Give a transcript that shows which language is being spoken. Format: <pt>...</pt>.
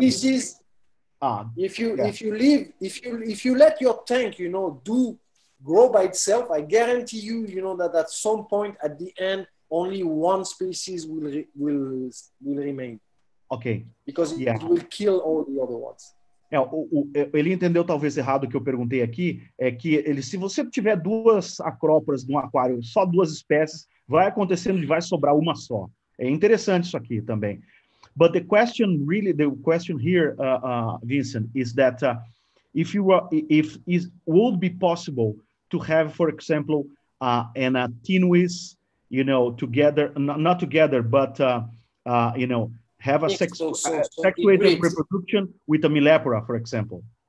<en>Species, if you let your tank, you know, do grow by itself, I guarantee you, you know, that at some point at the end, only one species will remain. Ok. Because it will kill all the other ones.</en> <pt>Ele entendeu talvez errado o que eu perguntei aqui, é que ele, se você tiver duas acróporas num aquário, só duas espécies, vai acontecendo e vai sobrar uma só. É interessante isso aqui também.</pt> <en>But the question, really, the question here, Vincent, is that if you were, if it would be possible to have, for example, an atinuis, you know, together, not together, but, you know, have a sexuated reproduction with a milepora, for example.</en>